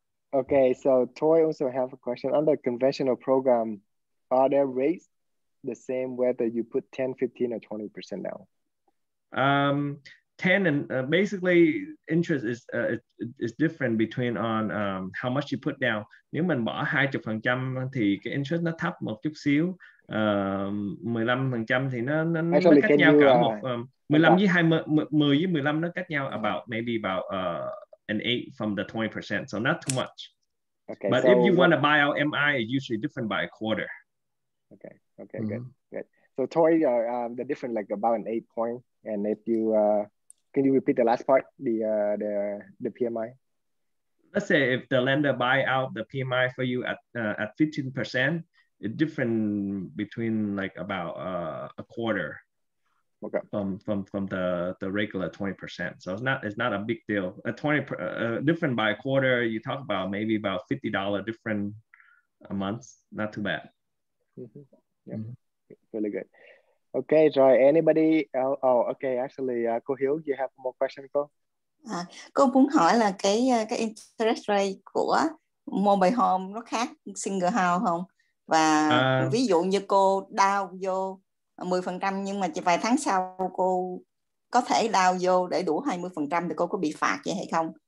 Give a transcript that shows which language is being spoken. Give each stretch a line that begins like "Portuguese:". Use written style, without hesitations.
English: Okay, so Troy also have a question. Under conventional program, are their rates the same whether you put 10, 15, or 20% down? 10 and basically interest is different between on how much you put down.
Vietnamese: Nếu mình bỏ 20% thì cái interest nó thấp một chút xíu. 15% thì nó
English: actually,
Vietnamese: cách nhau cả một 15 với 20, 10 với 15 nó cách nhau
English: about maybe about an 8 from the 20%. So not too much. Okay, but so if you want to buy out MI, it's usually different by a quarter. Okay. Okay. Mm-hmm. Good. So Tori, the different like about an 8 point. And if you can you repeat the last part, the PMI? Let's say if the lender buy out the PMI for you at 15%, it's different between like about a quarter. Okay. From the regular 20%. So it's not a big deal. A 20 different by a quarter, you talk about maybe about $50 different a month. Not too bad. Mm-hmm. Yeah. Mm-hmm. Really good. Okay,
Vietnamese: rồi.
English: Anybody else? Oh, okay. Actually, cô Hiếu, you have more question, cô?
Vietnamese: Cô muốn hỏi là cái interest rate của mobile home nó khác single house không? Và ví dụ như cô down vô 10% nhưng mà chỉ vài tháng sau cô có thể down vô để đủ 20% thì cô có bị phạt vậy hay không?